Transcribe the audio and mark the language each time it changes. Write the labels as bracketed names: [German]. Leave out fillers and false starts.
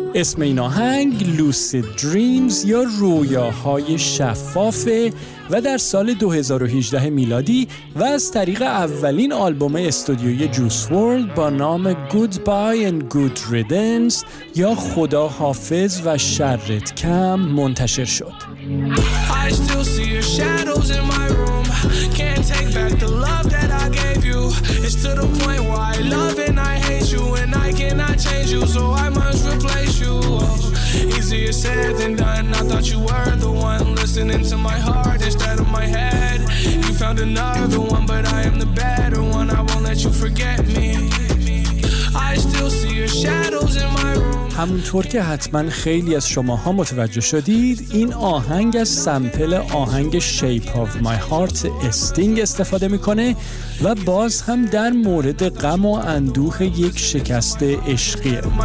[Persian] اسم این آهنگ لوسید دریمز یا رویاهای شفافه و در سال 2018 میلادی و از طریق اولین آلبوم استودیوی جوس ورلد با نام Goodbye and Good Riddance یا خدا حافظ و شرت کم منتشر شد. [English] I still see your shadows in my room. Can't take back the love that I gave you. It's to the point where I love and I hate you, and I cannot change you, so I must replace you. Oh, easier said than done. I thought you were the one listening to my heart instead of my head. You found another one, but I am the better one. I won't let you forget me. I still see your shadows in my room. [Persian] همونطور که حتما خیلی از شماها متوجه شدید، این آهنگ از سمپل آهنگ Shape of My Heart استینگ استفاده میکنه و باز هم در مورد غم و اندوه یک شکست عشقیه.